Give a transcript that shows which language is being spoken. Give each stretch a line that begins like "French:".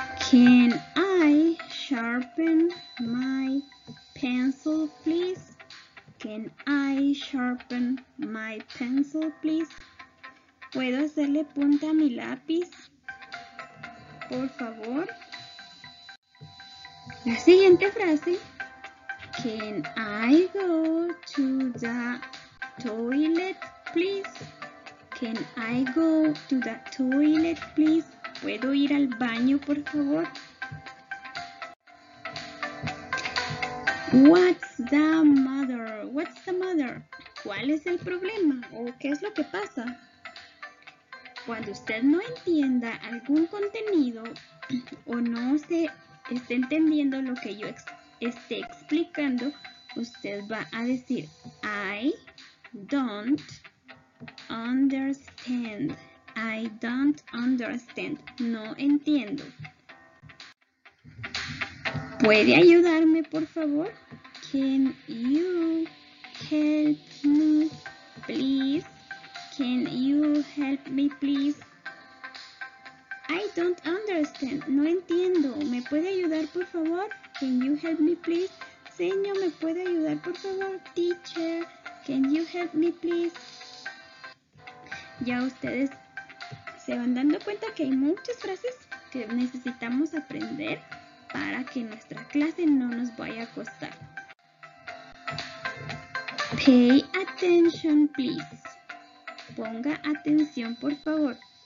English: Can I sharpen my pencil, please? Can I sharpen my pencil, please?
Spanish: ¿Puedo hacerle punta a mi lápiz? Por favor. La siguiente frase.
English: Can I go to the toilet, please? Can I go to the toilet, please?
Spanish: ¿Puedo ir al baño, por favor?
English: What's the matter? What's the matter?
Spanish: ¿Cuál es el problema? ¿O qué es lo que pasa? Cuando usted no entienda algún contenido o no se esté entendiendo lo que yo esté explicando, usted va a decir
English: I don't understand. I don't understand.
Spanish: No entiendo. ¿Puede ayudarme, por favor?
English: Can you help me, please? Can you help me, please? I don't understand.
Spanish: No entiendo. ¿Me puede ayudar, por favor?
English: Can you help me, please?
Spanish: Señor, ¿me puede ayudar, por favor?
English: Teacher, can you help me, please?
Spanish: Ya ustedes se van dando cuenta que hay muchas frases que necesitamos aprender para que nuestra clase no nos vaya a costar.
English: Pay attention, please.
Spanish: Ponga atención, por favor.